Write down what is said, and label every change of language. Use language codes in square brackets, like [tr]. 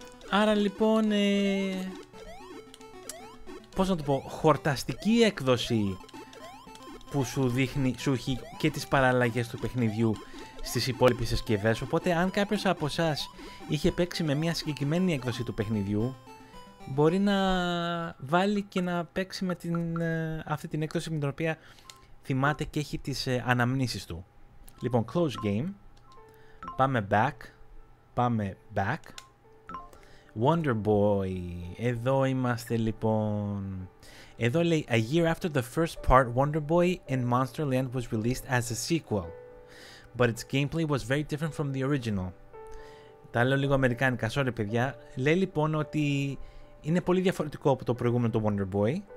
[el] Άρα λοιπόν, πώς να το πω, χορταστική έκδοση που σου δείχνει, σου έχει και τις παραλλαγές του παιχνιδιού στις υπόλοιπες συσκευές. Οπότε αν κάποιος από εσάς είχε παίξει με μια συγκεκριμένη έκδοση του παιχνιδιού, μπορεί να βάλει και να παίξει με την, αυτή την έκδοση με την οποία θυμάται και έχει τις αναμνήσεις του. Λοιπόν, close game. Πάμε back. Πάμε back. Wonder Boy. Εδώ είμαστε λοιπόν. Εδώ λέει [en] a year after the first part, Wonder Boy in Monster Land was released as a sequel. But its gameplay was very different from the original. [el] Τα λέω λίγο αμερικάνικα, [en] sorry [el] παιδιά. Λέει λοιπόν ότι είναι πολύ διαφορετικό από το προηγούμενο το Wonder Boy.